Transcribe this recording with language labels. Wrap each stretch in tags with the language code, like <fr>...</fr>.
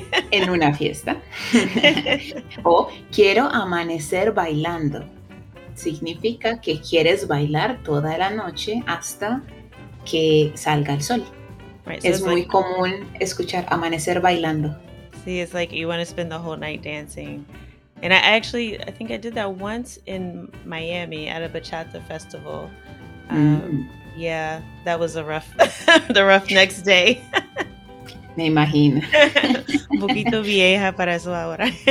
<es>En una fiesta. O quiero amanecer bailando. Significa que quieres bailar toda la noche hasta que salga el sol. Right, so es muy like, común escuchar amanecer bailando.</es> <en>Sí, it's like you want to spend the whole night dancing. And I think I did that once in Miami at a bachata festival. Yeah, that was the rough next day.</en> <es>Me imagino. Un poquito vieja para eso ahora.</es>